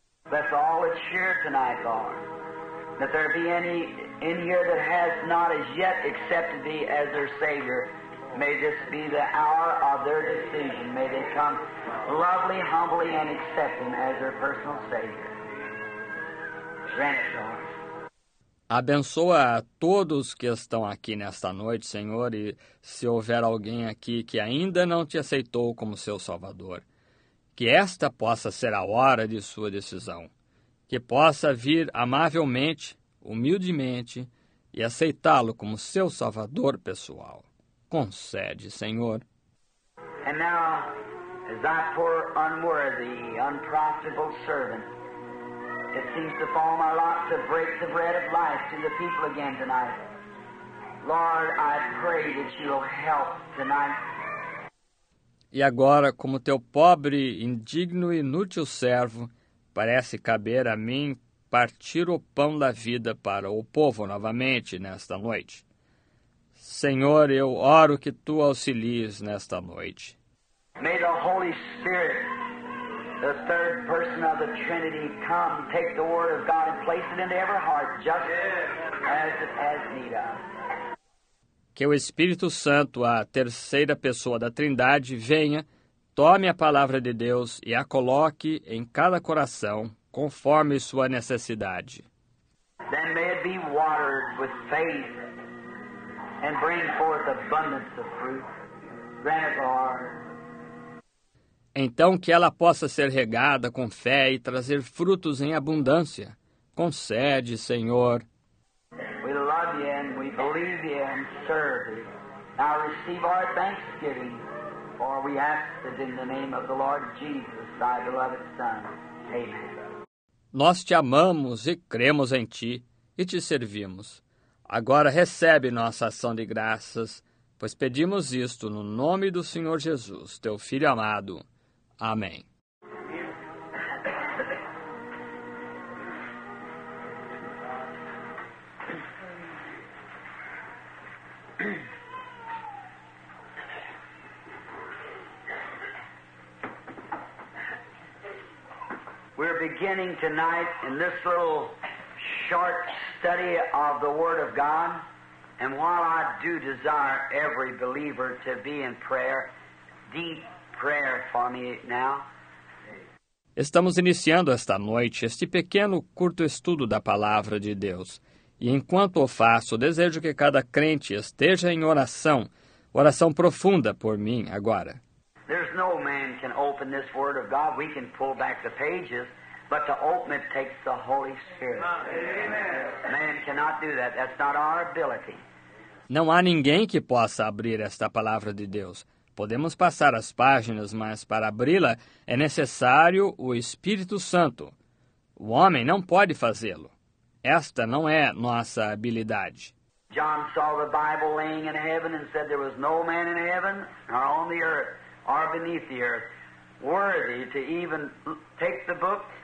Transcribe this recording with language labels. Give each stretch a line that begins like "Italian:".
English: That's all that's here tonight, Lord. that there be any in here that has not as yet accepted thee as their Savior. May this be the hour of their decision. May they come lovely, humbly, and accept him as their personal Savior. Grant it, Lord.
Portuguese: Abençoa a todos que estão aqui nesta noite, Senhor, e se houver alguém aqui que ainda não te aceitou como seu Salvador, que esta possa ser a hora de sua decisão, que possa vir amavelmente, humildemente, e aceitá-lo como seu Salvador pessoal. Concede, Senhor.
English: And now, as that poor, unworthy, unprofitable servant, it seems to fall my lot to break the bread of life to the people again tonight. Lord, I pray that you'll help tonight.
Portuguese: E agora, como teu pobre, indigno e inútil servo, parece caber a mim partir o pão da vida para o povo novamente nesta noite. Senhor, eu oro que tu auxilies nesta noite.
English: May the Holy Spirit, the third person of the Trinity, come, take the word of God and place it into every heart, just as need of.
Portuguese: Que o Espírito Santo, a terceira pessoa da Trindade, venha, tome a palavra de Deus e a coloque em cada coração, conforme sua necessidade.
English: Then may it be watered with faith and bring forth abundance of fruit. Grant it, Lord.
Portuguese: Então que ela possa ser regada com fé e trazer frutos em abundância. Concede, Senhor.
English: We love you and we believe you and serve you. Now receive our thanksgiving, for we ask it in the name of the Lord Jesus, thy beloved Son. Amen.
Portuguese: Nós te amamos e cremos em ti e te servimos. Agora recebe nossa ação de graças, pois pedimos isto no nome do Senhor Jesus, teu Filho amado. Amém.
English: We're beginning tonight in this little short study of the Word of God. And while I do desire every believer to be in prayer, deep prayer for me now.
Portuguese: Estamos iniciando esta noite este pequeno curto estudo da Palavra de Deus. E enquanto o faço, desejo que cada crente esteja em oração, oração profunda por mim agora.
English: There's no man can open this Word of God. We can pull back the pages. But to open it takes the Holy Spirit. Amen. Man cannot do that. That's not our ability.
Portuguese: Não há ninguém que possa abrir esta palavra de Deus. Podemos passar as páginas, mas para abri-la é necessário o Espírito Santo. O homem não pode fazê-lo. Esta não é nossa habilidade.
English: John saw the Bible laying in heaven and said there was no man in heaven or on the earth or beneath the earth worthy to even take the book.